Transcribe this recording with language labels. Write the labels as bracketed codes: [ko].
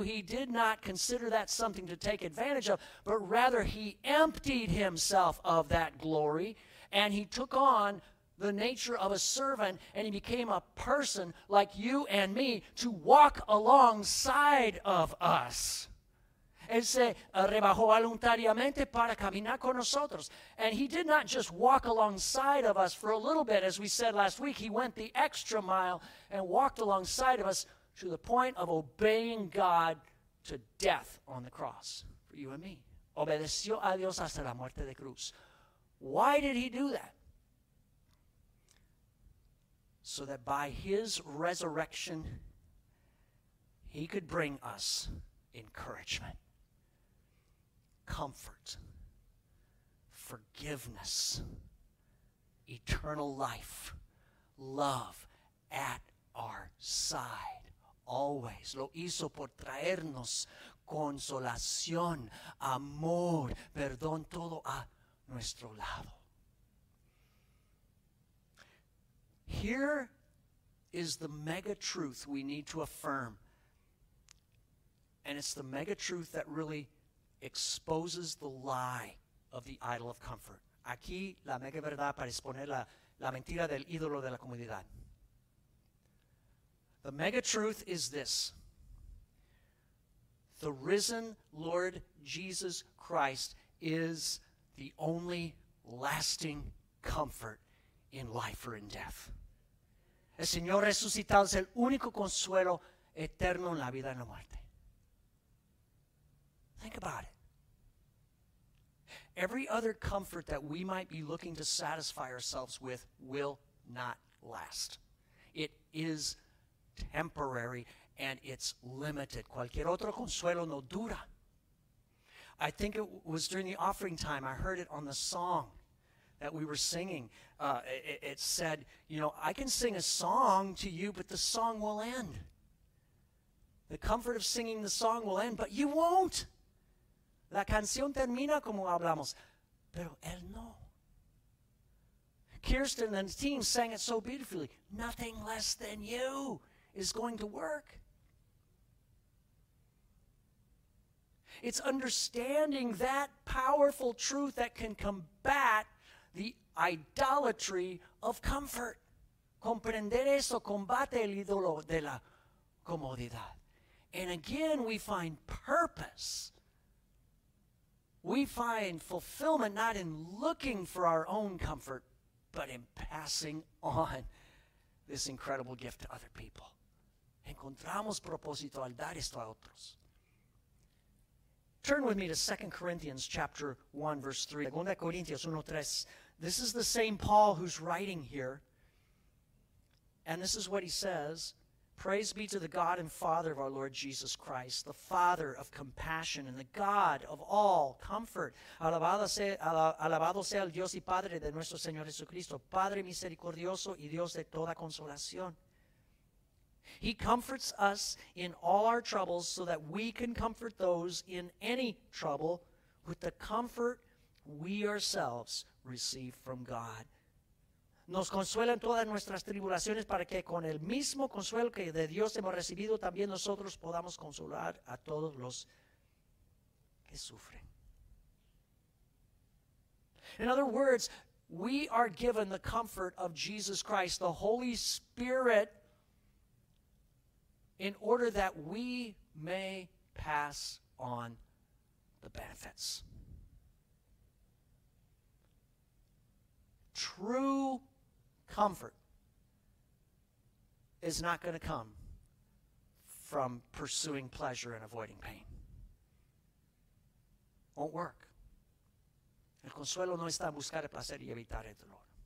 [en] He did not consider that something to take advantage of, but rather he emptied himself of that glory, and he took on the nature of a servant, and he became a person like you and me to walk alongside of us. [es] Él se rebajó voluntariamente para caminar con nosotros. [en] And he did not just walk alongside of us for a little bit. As we said last week, he went the extra mile and walked alongside of us to the point of obeying God to death on the cross for you and me. [es] Obedeció a Dios hasta la muerte de cruz. [en] Why did he do that? So that by his resurrection, he could bring us encouragement, comfort, forgiveness, eternal life, love at our side, always. [es] Lo hizo por traernos consolación, amor, perdón, todo a nuestro lado. [en] Here is the mega truth we need to affirm, and it's the mega truth that really exposes the lie of the idol of comfort. [es] Aquí la mega verdad para exponer la mentira del ídolo de la comodidad. [en] The mega truth is this: the risen Lord Jesus Christ is the only lasting comfort in life or in death. [es] El Señor resucitado es el único consuelo eterno en la vida y en la muerte. [en] Think about it. Every other comfort that we might be looking to satisfy ourselves with will not last. It is temporary and it's limited. [es] Cualquier otro consuelo no dura. [en] I think it was during the offering time, I heard it on the song that we were singing. It said, you know, I can sing a song to you, but the song will end. The comfort of singing the song will end, but you won't. [es] La canción termina como hablamos, pero él no. [en] Kirsten and the team sang it so beautifully. Nothing less than you is going to work. It's understanding that powerful truth that can combat the idolatry of comfort. [es] Comprender eso combate el ídolo de la comodidad. [en] And again, we find purpose. We find fulfillment not in looking for our own comfort, but in passing on this incredible gift to other people. [es] Encontramos propósito al dar esto a otros. [en] Turn with me to 2 Corinthians chapter 1, verse 3. [es] Segunda Corintios 1, 3. [en] This is the same Paul who's writing here. And this is what he says. Praise be to the God and Father of our Lord Jesus Christ, the Father of compassion and the God of all comfort. [es] Alabado sea el Dios y Padre de nuestro Señor Jesucristo, Padre misericordioso y Dios de toda consolación. [en] He comforts us in all our troubles so that we can comfort those in any trouble with the comfort we ourselves receive from God. [es] Nos consuela en todas nuestras tribulaciones para que con el mismo consuelo que de Dios hemos recibido, también nosotros podamos consolar a todos los que sufren. [en] In other words, we are given the comfort of Jesus Christ, the Holy Spirit, in order that we may pass on the benefits. True comfort is not going to come from pursuing pleasure and avoiding pain. Won't work. [es] El consuelo no está en buscar el placer y evitar el dolor.